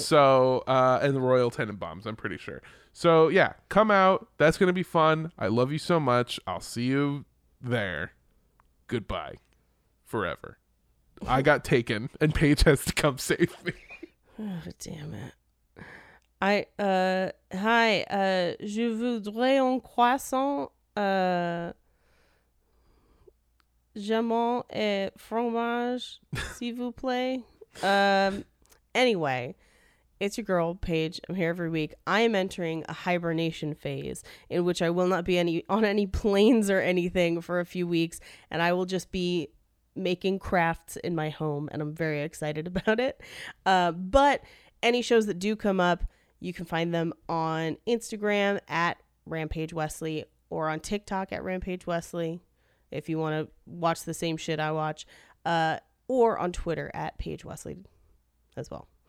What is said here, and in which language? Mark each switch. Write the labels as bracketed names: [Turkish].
[English] So, and the Royal Tenenbaums, I'm pretty sure. So yeah, come out. That's going to be fun. I love you so much. I'll see you there. Goodbye forever. I got taken and Paige has to come save me. Oh, damn it. [French] Hi, je voudrais un croissant, jamon et fromage, s'il vous plaît. [English] Anyway, it's your girl Paige. I'm here every week. I am entering a hibernation phase in which I will not be on any planes or anything for a few weeks, and I will just be making crafts in my home, and I'm very excited about it. But any shows that do come up, you can find them on Instagram at Rampage Wesley or on TikTok at Rampage Wesley if you want to watch the same shit I watch, or on Twitter at Paige Wesley as well.